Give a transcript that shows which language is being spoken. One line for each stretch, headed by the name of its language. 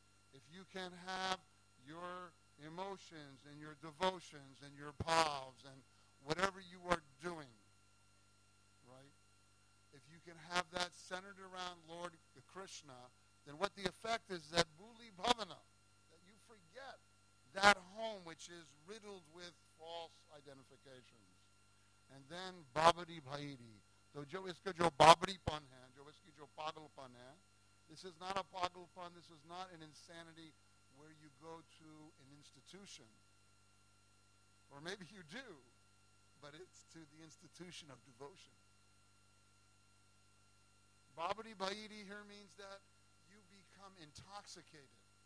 English: If you can have your emotions and your devotions and your bhavs and whatever you are doing, if you can have that centered around Lord Krishna, then what the effect is that
Hindi: bhuli bhavana,
English: that you forget that home which is riddled with false identifications. And then
Hindi: babadi bhairi. सो जो इसका जो बावदी पन है, जो इसकी जो पागल पन है।
English: This is not a
Hindi: pagal pan,
English: this is not an insanity where you go to an institution. Or maybe you do, but it's to the institution of devotion.
Hindi: Babari Bhairi
English: here means that you become intoxicated.